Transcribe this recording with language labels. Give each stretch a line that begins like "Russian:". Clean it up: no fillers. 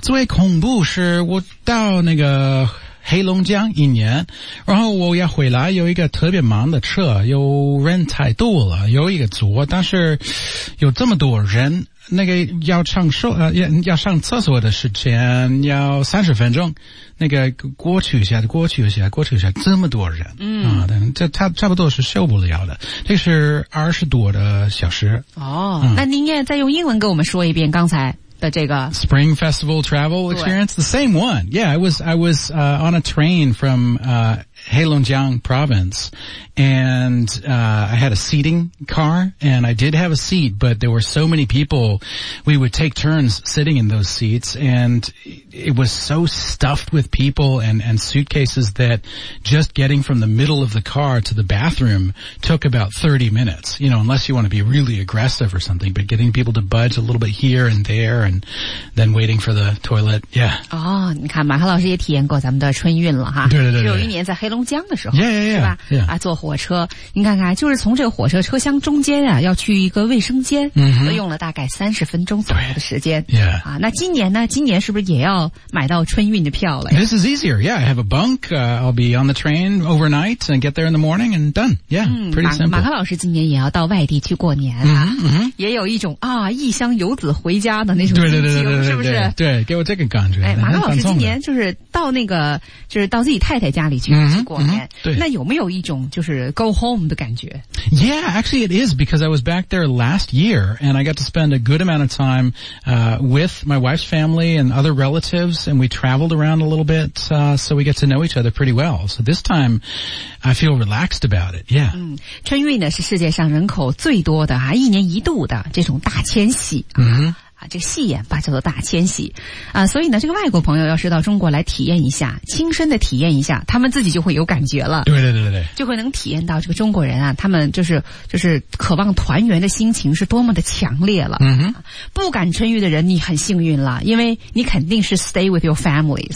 Chinese: 最恐怖是我到那个黑龙江一年然后我要回来有一个特别忙的车有人太多了有一个组但是有这么多人那个要上厕所的时间要30分钟那个过去一下这么多人这他差不多是受不了的这是20多的小时那您也再用英文跟我们说一遍刚才的这个
English: Spring Festival Travel Experience the same one yeah I was on a train from Heilongjiang province and I had a seating car and I did have a seat but there were so many people we would take turns sitting in those seats and it was so stuffed with people and suitcases that just getting from the middle of the car to the bathroom took about 30 minutes you know unless you want to be really aggressive or something but getting people to budge a little bit here and there and then waiting for the toilet yeah
Chinese: 你看马克老师也体验过咱们的春运了哈对对对只有一年在黑龙江的时候
English: yeah.
Chinese: 坐火车你看看就是从这个火车车厢中间啊要去一个卫生间都用了大概30分钟左右的时间对、yeah. 那今年是不是也要买到春运的票了
English: This is easier yeah I have a bunk I'll be on the train overnight and get there in the morning and done yeah pretty simple
Chinese: 马克老师今年也要到外地去过年、也有一种啊异乡游子回家的那种心情对对对对对对是不是对给我这个感觉、哎、马克老师今年就是到那个就是到自己太太家里去过年对那有没有一种就是
English: go home
Chinese: 的感觉
English: Yeah, actually it is because I was back there last year and I got to spend a good amount of time with my wife's family and other relatives and we traveled around a little bit so we get to know each other pretty well. So this time I feel relaxed about it, yeah.
Chinese: 春运呢是世界上人口最多的啊一年一度的这种大迁徙。这个戏言吧叫做大迁徙啊，所以呢这个外国朋友要是到中国来体验一下亲身的体验一下他们自己就会有感觉了对对对对，就会能体验到这个中国人啊他们就是渴望团圆的心情是多么的强烈了不敢春运的人你很幸运了因为你肯定是
English: stay with your families、